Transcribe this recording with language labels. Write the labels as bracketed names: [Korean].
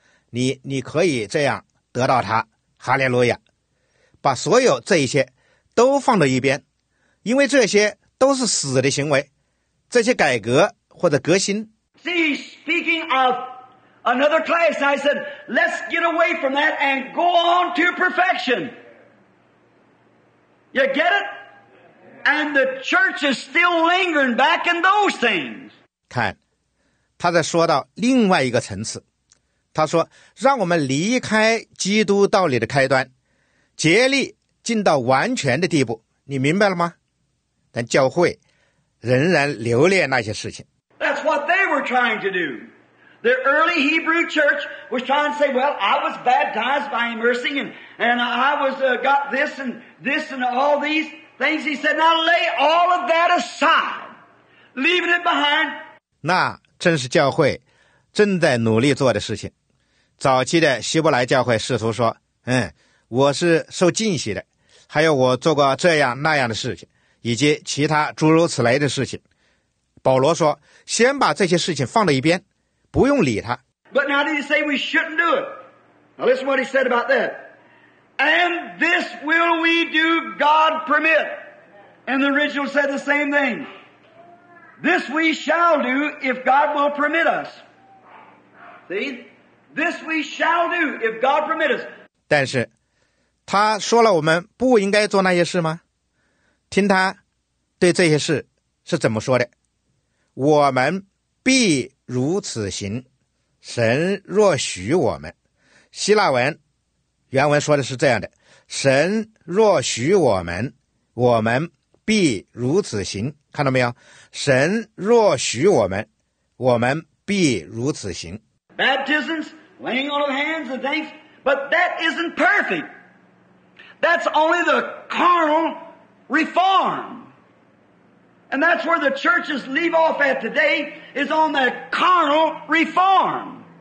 [Chinese] 你可以这样得到它，哈利路亚。把所有这一些都放到一边，因为这些都是死的行为，这些改革或者革新。 [English] See, speaking of another class, I said, let's get away from that and go on to perfection. You get it? And the church is still lingering back in those things. [Chinese] 看，他在说到另外一个层次，他说，让我们离开基督道理的开端，竭力进到完全的地步，你明白了吗？但教会仍然留恋那些事情。 [English] That's what they were trying to do. The early Hebrew church was trying to say, well, I was baptized by immersing and I was, got this and this and all these things. He said, now lay all of that aside, leaving it behind. [Chinese] 那正是教会正在努力做的事情。早期的希伯来教会试图说，我是受浸洗的，还有我做过这样那样的事情，以及其他诸如此类的事情。保罗说，先把这些事情放到一边，不用理他。 [English] But now did he say we shouldn't do it? Now listen what he said about that. And this will we do, God permit. And the original said the same thing. This we shall do if God will permit us. See? This we shall do if God permit us. [Chinese] 但是他说了我们不应该做那些事吗？听他对这些事是怎么说的？我们必如此行，神若许我们。希腊文原文说的是这样的，神若许我们，我们必如此行。看到没有？神若许我们，我们必如此行。 [English] Baptisms, laying on of hands and things, but that isn't perfect. That's only the carnal reform. And that's where the churches leave off at today, is on that carnal reform.